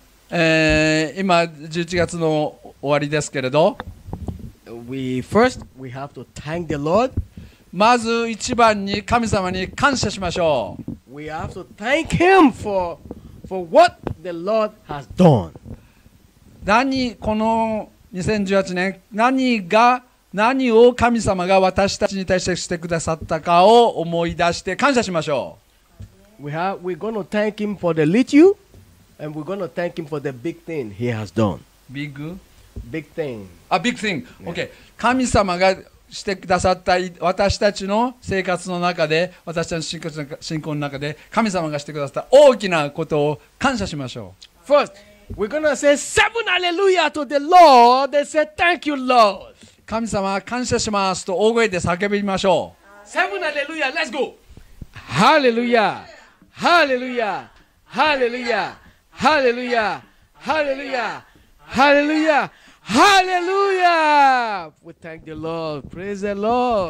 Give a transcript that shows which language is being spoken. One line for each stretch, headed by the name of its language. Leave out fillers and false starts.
Japanese: 今11月の終わりですけれど、
English: We have to thank the Lord.
Japanese: まず一番に神様に感謝しましょう。
English: We have to thank Him for what the Lord has done.
Japanese: 何この2018年、何を神様が私たちに対してしてくださったかを思い出して感謝しましょう。
English: We're going to thank Him for the little, and we're going to thank Him for the big thing He has done. Big thing. A big thing. Okay.
Japanese: 神様がしてくださった私たちの生活の中で、私たちの信仰の中で、神様がしてくださった大きなことを感謝しましょう。
English: First, we're gonna say seven hallelujah to the Lord and say thank you, Lord.
Japanese: 神様感謝しますと大声で叫びましょう。
English: Seven hallelujah, let's go. Hallelujah, hallelujah, hallelujah, hallelujah, hallelujah, hallelujah. Hallelujah! We thank the Lord. Praise the Lord.